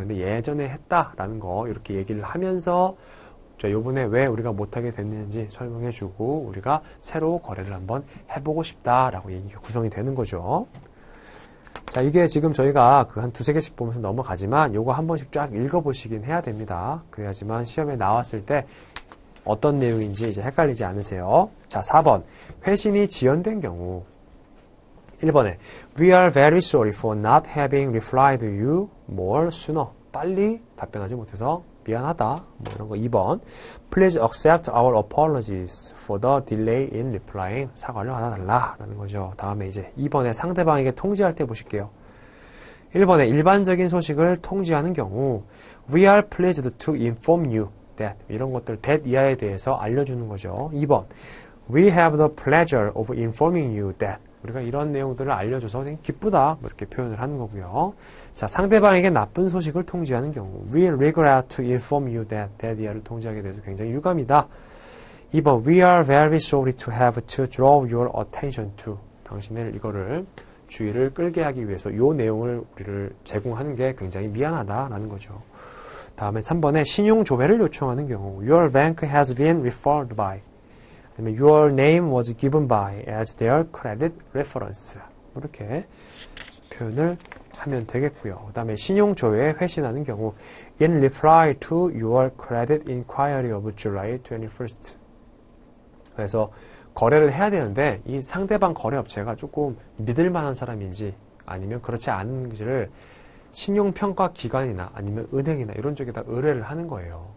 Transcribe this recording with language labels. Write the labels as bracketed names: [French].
[Korean] 근데 예전에 했다라는 거 이렇게 얘기를 하면서 자, 요번에 왜 우리가 못하게 됐는지 설명해주고, 우리가 새로 거래를 한번 해보고 싶다라고 얘기가 구성이 되는 거죠. 자, 이게 지금 저희가 그한 두세 개씩 보면서 넘어가지만, 요거 한 번씩 쫙 읽어보시긴 해야 됩니다. 그래야지만 시험에 나왔을 때 어떤 내용인지 이제 헷갈리지 않으세요. 자, 4번. 회신이 지연된 경우. 1번에, [English] We are very sorry for not having replied you more sooner. [Korean] 빨리 답변하지 못해서. 미안하다. 뭐 이런 거. 2번. [English] Please accept our apologies for the delay in replying. [Korean] 사과를 받아달라라는 거죠. 다음에 이제 2번에 상대방에게 통지할 때 보실게요. 1번에 일반적인 소식을 통지하는 경우. [English] We are pleased to inform you that. [Korean] 이런 것들, that 이하에 대해서 알려주는 거죠. 2번. [English] We have the pleasure of informing you that. [Korean] 우리가 이런 내용들을 알려줘서 기쁘다. 이렇게 표현을 하는 거고요. 자, 상대방에게 나쁜 소식을 통지하는 경우. [English] We regret to inform you that, that [Korean] 이하를 통지하게 돼서 굉장히 유감이다. 2번. [English] We are very sorry to have to draw your attention to. [Korean] 당신을 이거를 주의를 끌게 하기 위해서 요 내용을 우리를 제공하는 게 굉장히 미안하다라는 거죠. 다음에 3번에 신용 조회를 요청하는 경우. [English] Your bank has been referred by. Your name was given by as their credit reference. [Korean] 이렇게 표현을 하면 되겠고요. 그다음에 신용조회에 회신하는 경우, [English] In reply to your credit inquiry of July 21st. [Korean] 그래서 거래를 해야 되는데 이 상대방 거래업체가 조금 믿을 만한 사람인지 아니면 그렇지 않은지를 신용평가 기관이나 아니면 은행이나 이런 쪽에다 의뢰를 하는 거예요.